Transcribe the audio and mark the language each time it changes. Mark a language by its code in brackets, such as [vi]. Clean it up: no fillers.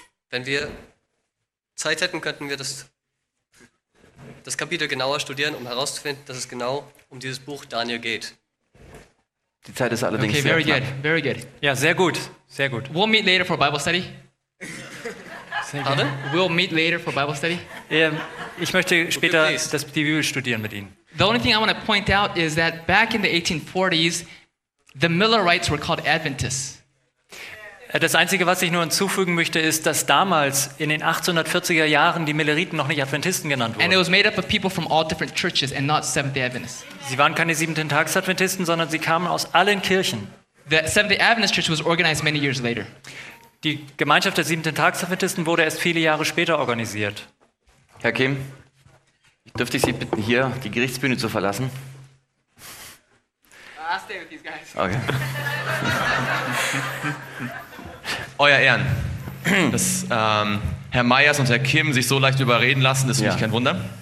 [de] Wenn wir Zeit hätten, könnten wir das Kapitel genauer studieren, um herauszufinden, dass es genau um dieses Buch Daniel geht. Die Zeit ist allerdings sehr [en] Okay, very good, very good. [de] Ja, sehr gut, sehr gut. [en] We'll meet later for Bible study. Pardon? We'll meet later for Bible study. [de] Ich möchte später die Bibel studieren mit Ihnen. [en] The only thing I want to point out is that back in the 1840s, the Millerites were called Adventists. [de] Das Einzige, was ich nur hinzufügen möchte, ist, dass damals in den 1840er Jahren die Milleriten noch nicht Adventisten genannt wurden. [en] And it was made up of people from all different churches and not Seventh-day Adventists. [de] Sie waren keine Siebenten-Tags-Adventisten, sondern sie kamen aus allen Kirchen. [en] The Seventh-day Adventist Church was organized many years later. [de] Die Gemeinschaft der Siebenten-Tags-Adventisten wurde erst viele Jahre später organisiert. Herr Kim, dürfte ich Sie bitten, hier die Gerichtsbühne zu verlassen? [en] I'll stay with these guys. Okay. [de] Euer Ehren, dass Herr Meyers und Herr Kim sich so leicht überreden lassen, ist für mich kein Wunder.